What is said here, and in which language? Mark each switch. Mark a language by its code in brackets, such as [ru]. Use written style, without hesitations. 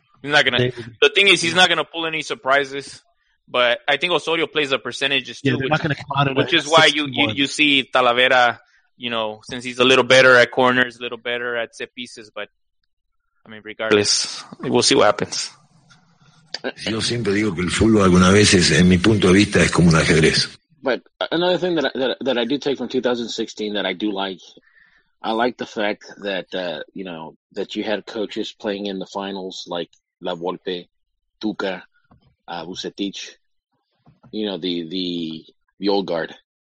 [en] He's not going to pull any surprises, but I think Osorio plays the percentages too, which is why you see Talavera, you know, since he's a little better at corners, a little better at set pieces, but I mean, regardless, we'll see what happens. [es] Yo siempre digo que el fútbol algunas veces, en mi punto de vista, es como un ajedrez. [en] But another thing that I do take from 2016 that I do like, I like the fact that you know, that you had coaches playing in the finals like La Volpe, Tuca, Vucetich, you know, the old guard,